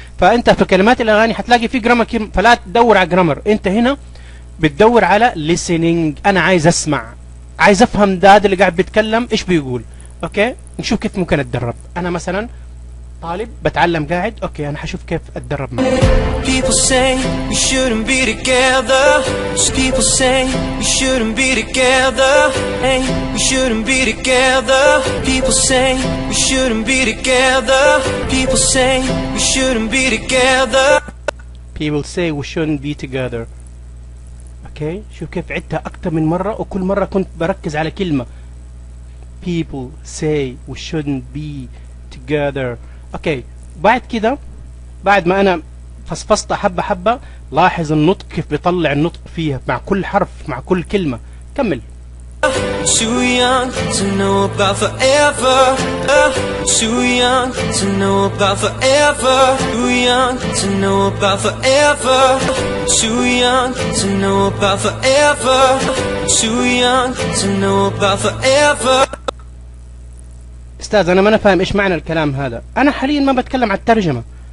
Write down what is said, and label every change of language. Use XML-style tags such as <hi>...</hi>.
<ar>فانت في كلمات الاغاني هتلاقي في جرامر، فلا تدور على جرامر، انت هنا بتدور على listening. انا عايز اسمع، عايز افهم داد اللي قاعد بيتكلم ايش بيقول، اوكي؟ نشوف كيف ممكن اتدرب. انا مثلا طالب بتعلم قاعد، اوكي، انا حشوف كيف اتدرب معك.</ar> <en>People say we shouldn't be together. Those people say we shouldn't be together. Hey, we shouldn't be together. People say we shouldn't be together. People say we shouldn't be together. People say we shouldn't be together. Okay.</en> <ar>شوف كيف عدتها أكثر من مرة، وكل مرة كنت بركز على كلمة.</ar> <en>People say we shouldn't be together. together.</en> <ar>اوكي بعد كده بعد ما انا فصفصت حبه حبه لاحظ النطق كيف بيطلع النطق فيها مع كل حرف مع كل كلمه كمل.</ar> <en>Too young to know about forever. Too young to know about forever. Too young to know about forever. Too young to know about forever. Too young to know about forever.</en> <ar>استاذ انا ما انا فاهم ايش معنى الكلام هذا. انا حاليا ما بتكلم على الترجمه.</ar>